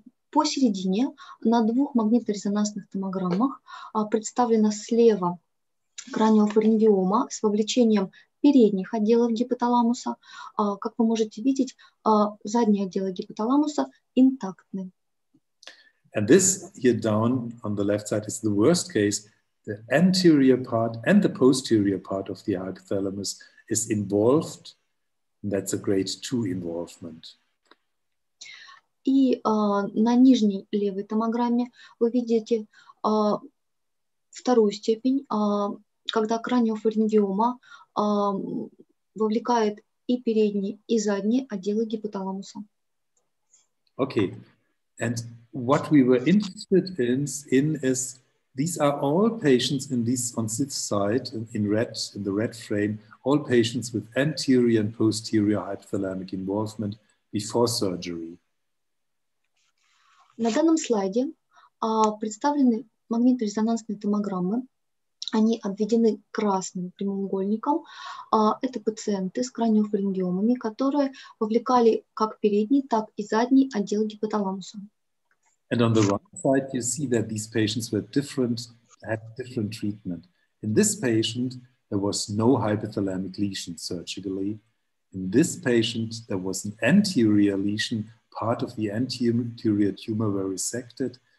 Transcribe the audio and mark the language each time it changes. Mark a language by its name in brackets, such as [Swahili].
[Russian] Посередине на двух магнитно-резонансных томограммах представлена слева краниофарингиома с вовлечением передних отделов гипоталамуса. Как вы можете видеть, задние отделы гипоталамуса интактны. [English] And this here down on the left side is the worst case. The anterior part and the posterior part of the hypothalamus is involved. That's a grade 2 involvement. [Russian] И на нижней левой томограмме вы видите вторую степень, когда краниофарингиома вовлекает и передние, и задние отделы гипоталамуса. [English] Okay. And what we were interested in is these are all patients in this on this side in red, in the red frame, all patients with anterior and posterior hypothalamic involvement before surgery. [Russian] На данном слайде представлены магнитно-резонансные томограммы. Они обведены красным прямоугольником. Это пациенты с краниофарингиомами, которые вовлекали как передний, так и задний отдел гипоталамуса. [English] And on the right side, you see that these patients were different, had different treatment. In this patient, there was no hypothalamic lesion surgically. In this patient, there was an anterior lesion, part of the anterior tumor were resected.